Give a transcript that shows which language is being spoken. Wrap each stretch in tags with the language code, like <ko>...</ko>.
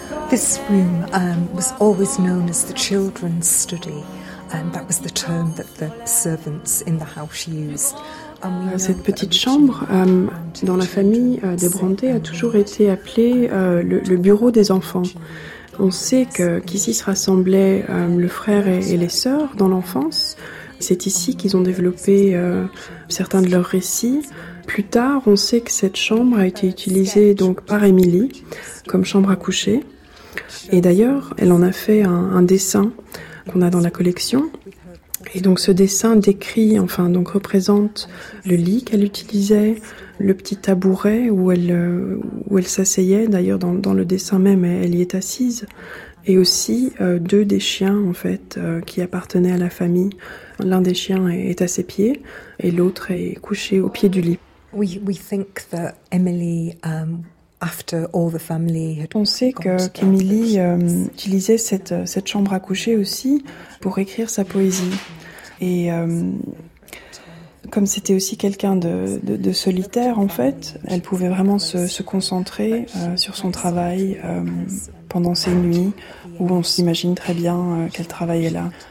<en>This room was always known as the children's study. That was the term that the servants in the house used.</en> <fr>Cette petite chambre, dans la famille des Brontë, a toujours été appelée le bureau des enfants. On sait qu'ici se rassemblaient le frère et les sœurs dans l'enfance. C'est ici qu'ils ont développé certains de leurs récits. Plus tard, on sait que cette chambre a été utilisée donc par Emily comme chambre à coucher. Et d'ailleurs, elle en a fait un dessin qu'on a dans la collection. Et donc ce dessin décrit, enfin donc représente le lit qu'elle utilisait, le petit tabouret où elle s'asseyait. D'ailleurs dans le dessin même, elle y est assise. Et aussi deux des chiens en fait qui appartenaient à la famille. L'un des chiens est à ses pieds et l'autre est couché au pied du lit.</fr> <en>We think that Emily after all the family had.</en> <fr>On sait qu'Emily utilisait cette chambre à coucher aussi pour écrire sa poésie. Et comme c'était aussi quelqu'un de solitaire, en fait, elle pouvait vraiment se concentrer sur son travail pendant ces nuits où on s'imagine très bien qu'elle travaillait là.</fr>